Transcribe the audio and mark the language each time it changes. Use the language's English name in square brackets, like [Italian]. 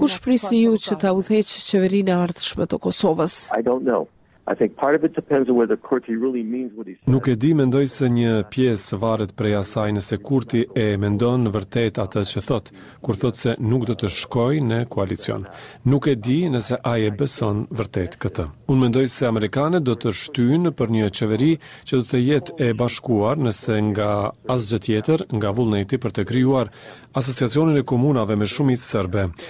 [Albanian] Kush prisni ju që ta udhëheqë qeverinë e ardhshme të Kosovës? [English] I don't know. I think part of it depends on whether Kurti really means what he says. [Albanian] Nuk e di, mendoj se një pjesë varet prej asaj nëse Kurti e mendon vërtet atë që thot, kur thot se nuk do të shkojë në koalicion. Nuk e di nëse ai e beson vërtet këtë. Unë mendoj se amerikanët do të shtyjnë për një qeveri që do të jetë e bashkuar nëse nga asgjë tjetër, nga vullneti për të krijuar asociacionin e komunave me shumicë serbe.